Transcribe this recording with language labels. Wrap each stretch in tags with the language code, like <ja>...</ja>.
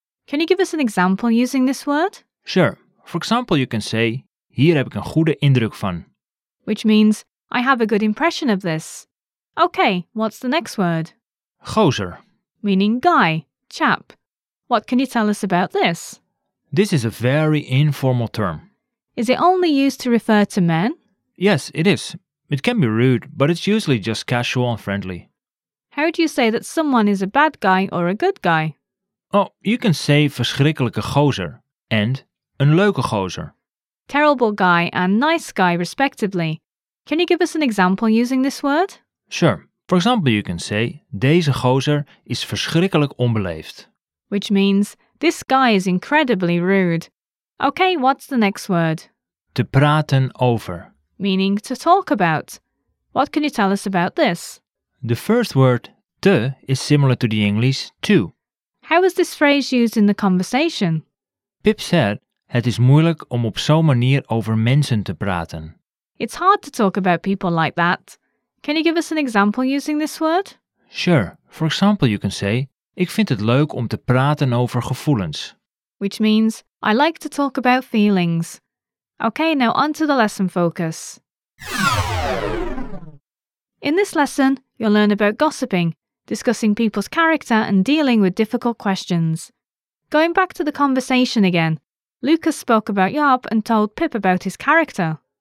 <en>Can you give us an example using this word? Sure. For example, you can say</en> <nl>hier heb ik een goede indruk van.</nl> <en>Which means I have a good impression of this. Okay, what's the next word?</en> <nl>Gozer.</nl> <en>Meaning guy, chap. What can you tell us about this? This is a very informal term. Is it only used to refer to men? Yes, it is. It can be rude, but it's usually just casual and friendly. How do you say that someone is a bad guy or a good guy? Oh, you can say</en> <nl>verschrikkelijke gozer</nl> <en>and</en> <nl>een leuke gozer.</nl> <en>Terrible guy and nice guy, respectively. Can you give us an example using this word? Sure. For example, you can say</en> <nl>deze gozer is verschrikkelijk onbeleefd.</nl> <en>Which means, this guy is incredibly rude. Okay, what's the next word?</en> <nl>Te praten over.</nl> <en>Meaning to talk about. What can you tell us about this? The first word, te, is similar to the English, to. How is this phrase used in the conversation? Pip said,</en> <nl>het is moeilijk om op zo'n manier over mensen te praten.</nl> <en>It's hard to talk about people like that. Can you give us an example using this word? Sure. For example, you can say,</en> <nl>ik vind het leuk om te praten over gevoelens.</nl> <en>Which means, I like to talk about feelings. Okay, now on to the lesson focus. In this lesson, you'll learn about gossiping, discussing people's character and dealing with difficult questions. Going back to the conversation again, Lucas spoke about Jaap and told Pip about his character.</en>